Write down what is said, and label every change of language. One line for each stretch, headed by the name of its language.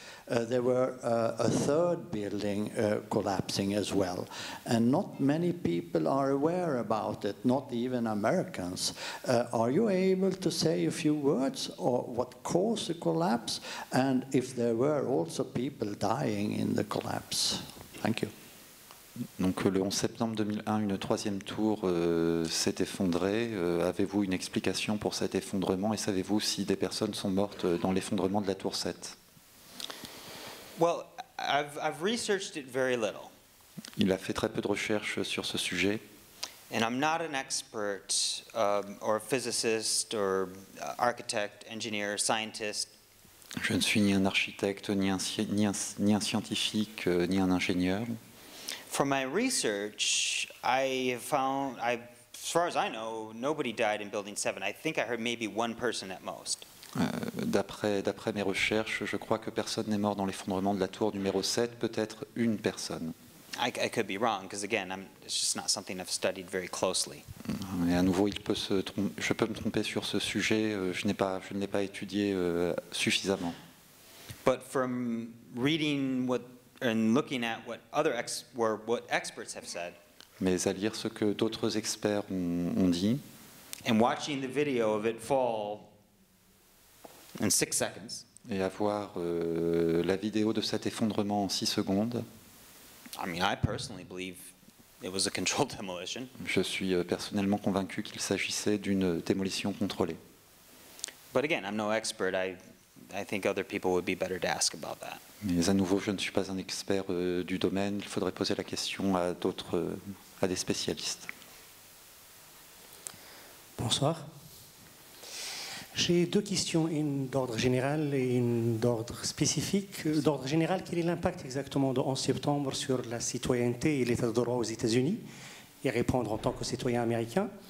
English: There were a third building collapsing as well, and not many people are aware about it, not even Americans. Are you able to say a few words or what caused the collapse, and if there were also people dying in the collapse? Thank you.
French: Donc le 11 septembre 2001, une troisième tour s'est effondrée. Avez-vous une explication pour cet effondrement, et savez-vous si des personnes sont mortes dans l'effondrement de la tour 7?
English: Well, I've researched it very little.
French: Il a fait très peu de recherches sur ce sujet.
English: And I'm not an expert or a physicist or architect, engineer, scientist.
French: Je ne suis ni un architecte, ni un scientifique, ni un ingénieur.
English: From my research, as far as I know, nobody died in Building 7. I think I heard maybe one person at most.
French: D'après mes recherches, je crois que personne n'est mort dans l'effondrement de la tour numéro 7, peut-être une personne.
English: I could be wrong, because again, it's just not something I've studied very closely.
French: Et à nouveau, je peux me tromper sur ce sujet, je ne l'ai pas étudié suffisamment.
English: But from reading and looking at what experts have said.
French: Mais à lire ce que d'autres experts ont dit.
English: And watching the video of it fall in 6 seconds.
French: Et à voir la vidéo de cet effondrement en 6 secondes.
English: I mean, I personally believe it was a controlled demolition.
French: Je suis personnellement convaincu qu'il s'agissait d'une démolition contrôlée.
English: But again, I'm no expert. I think other people would be better to ask about that.
French: Mais à nouveau, je ne suis pas un expert du domaine. Il faudrait poser la question à d'autres, à des spécialistes. Bonsoir. J'ai deux questions, une d'ordre général et une d'ordre spécifique. D'ordre général, quel est l'impact exactement du 11 septembre sur la citoyenneté et l'état de droit aux États-Unis, et répondre en tant que citoyen américain?